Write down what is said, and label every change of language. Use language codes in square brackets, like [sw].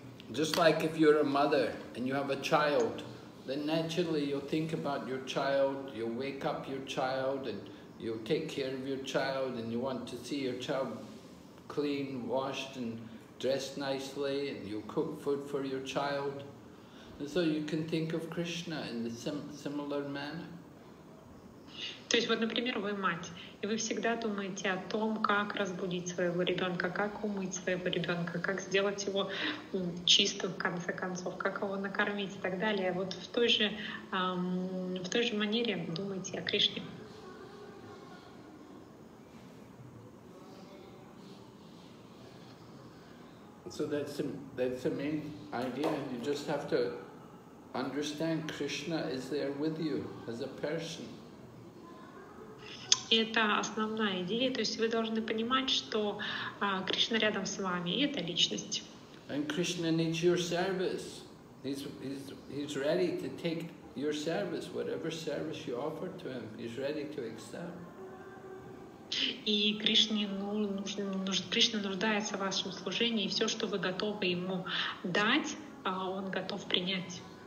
[en] Just like if you're a mother and you have a child, then naturally you'll think about your child, you'll wake up your child, and you take care of your child, and you want to see your child clean, washed, and dressed nicely, and you cook food for your child. And so you can think of Krishna in the similar manner. [ru] То есть, вот, например, вы мать, и вы всегда думаете о том, как разбудить своего ребенка, как умыть своего ребенка, как сделать его чистым, в конце концов, как его накормить и так далее. Вот в той же манере думайте о Кришне. [en] So that's the main idea. You just have to understand Krishna is there with you as a person. [ru] Это основная идея. То есть вы должны понимать, что Кришна рядом с вами, и это личность. [en] And Krishna needs your service. He's ready to take your service, whatever service you offer to him, he's ready to accept. [ru] И Кришне Кришна нуждается в вашем служении, и все, что вы готовы ему дать, он готов принять.